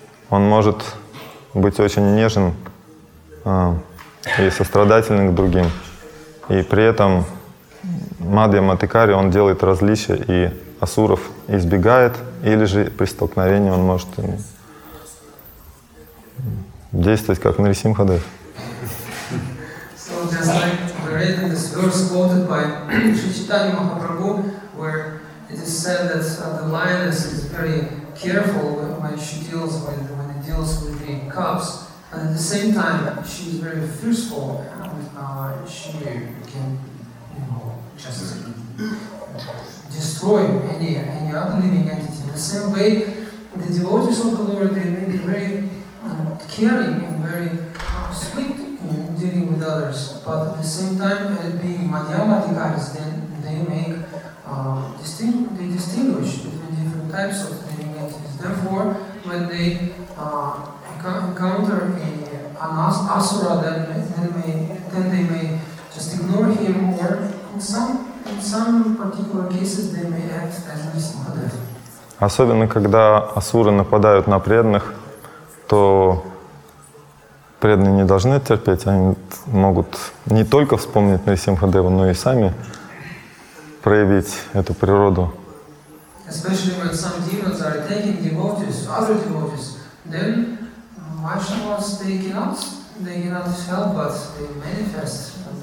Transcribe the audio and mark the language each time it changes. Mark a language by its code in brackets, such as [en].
[ru] Он может быть очень нежен и сострадательным к другим. И при этом Мадхья Матхикари, он делает различия, и асуров избегает, или же при столкновении он может действовать как Нарисимхадев. [en] So just like we read in this verse quoted by Sri Chaitanya Mahaprabhu, where it is said that the lioness is very careful when it deals with the cubs, and at the same time she is very fearful and she can just destroy any other living entity. In the same way, the devotees of the Lord, they may be very caring and very sweet in dealing with others, but at the same time, being Madhya Madhikaris, then they make distinguish between different types of living entities. Therefore, when they encounter an asura, then they may just ignore him, or In some particular cases, they may act as Nrisimhadev. [ru] Особенно, когда асуры нападают на преданных, то преданные не должны терпеть, они могут не только вспомнить Нрисимхадева, но и сами проявить эту природу. [en] Especially when some demons are attacking devotees, other devotees, then Vaishnavas, they cannot help but manifest.